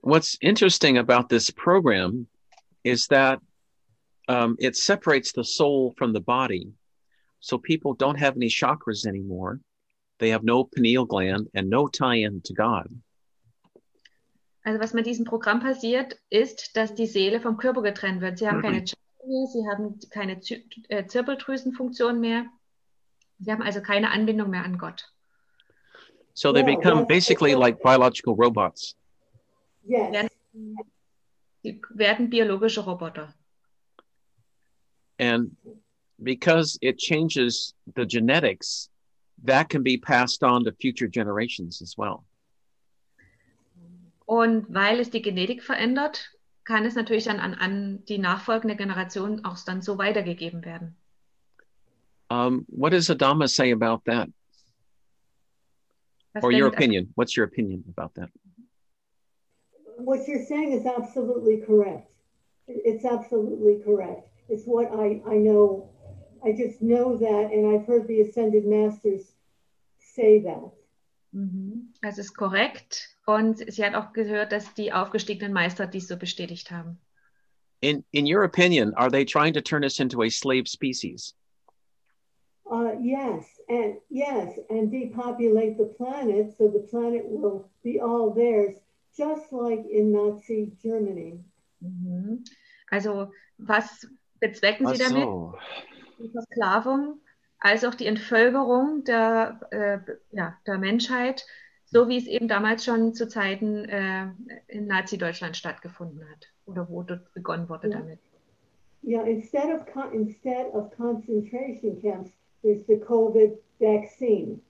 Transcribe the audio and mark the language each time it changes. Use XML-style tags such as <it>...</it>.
<en>What's interesting about this program is that it separates the soul from the body. So people don't have any chakras anymore. They have no pineal gland and no tie-in to God.</en> <de>Also was mit diesem Programm passiert, ist, dass die Seele vom Körper getrennt wird. Sie haben keine Chakras mehr, sie haben keine Zirbeldrüsenfunktion mehr. Sie haben also keine Anbindung mehr an Gott.</de> <en>So they become basically like biological robots. Yes.</en> <de>Sie werden biologische Roboter.</de> <en>And because it changes the genetics, that can be passed on to future generations as well.</en> <de>Und weil es die Genetik verändert, kann es natürlich dann an die nachfolgende Generation auch dann so weitergegeben werden.</de> <en>What does Adama say about that?</en> <de>Was</de> <en>Or your opinion? What's your opinion about that? What you're saying is absolutely correct. It's absolutely correct. It's what I know. I just know that, and I've heard the Ascended Masters say that.</en> <de>Das ist korrekt. Und sie hat auch gehört, dass die aufgestiegenen Meister dies so bestätigt haben.</de> <en>In your opinion, are they trying to turn us into a slave species? Yes, and depopulate the planet, so the planet will be all theirs, just like in Nazi Germany.</en> <de>Also, was bezwecken sie damit? Die Versklavung, als auch die Entvölkerung der Menschheit, so wie es eben damals schon zu Zeiten in Nazi-Deutschland stattgefunden hat oder wo dort begonnen wurde damit.</de> <en>Yeah, instead of concentration camps, there's the COVID vaccine.</en>